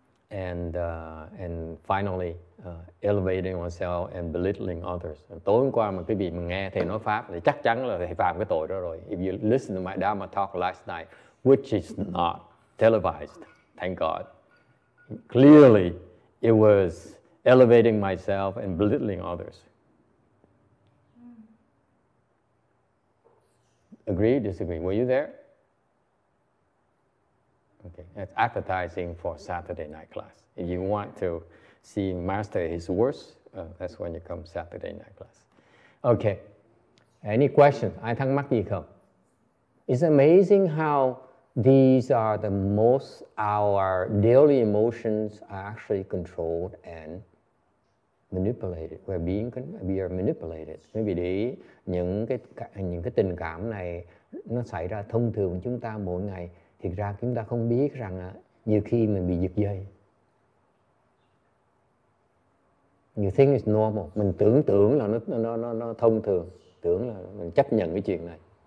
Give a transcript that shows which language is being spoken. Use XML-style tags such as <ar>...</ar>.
<en>And finally, elevating oneself and belittling others.</en> <vi>Tối hôm qua mà quý vị nghe thầy nói pháp thì chắc chắn là thầy phạm cái tội đó rồi.</vi> <en>If you listen to my Dharma talk last night, which is not televised, thank God. Clearly, it was elevating myself and belittling others. Agree, disagree? Were you there? Okay, that's advertising for Saturday night class. If you want to see Master his worst, that's when you come Saturday night class. Okay, any questions?</en> <vi>Ai thắc mắc gì không?</vi> <en>It's amazing how these are the most our daily emotions are actually controlled and manipulated. We are manipulated.</en> <vi>Maybe để những cái tình cảm này nó xảy ra thông thường chúng ta mỗi ngày, thực ra chúng ta không biết rằng nhiều khi mình bị giật dây.</vi> <en>You think it's normal.</en> <vi>Mình tưởng là nó thông thường, tưởng là mình chấp nhận cái chuyện này.</vi>